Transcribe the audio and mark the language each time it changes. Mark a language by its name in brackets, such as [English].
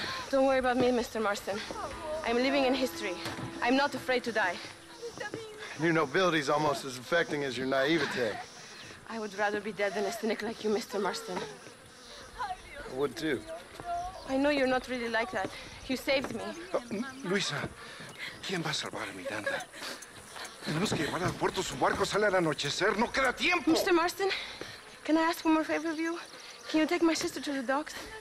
[English] Don't worry about me, Mr. Marston. I'm living in history. I'm not afraid to die. Your nobility is almost as affecting as your naivete. I would rather be dead than a cynic like you, Mr. Marston. I would too. I know you're not really like that. You saved me. [Spanish] Luisa, ¿quién va a salvar a mi tanta? Tenemos que llevar al puerto su barco, sale al anochecer, no queda tiempo. [English] Mr. Marston, can I ask one more favor of you? Can you take my sister to the docks?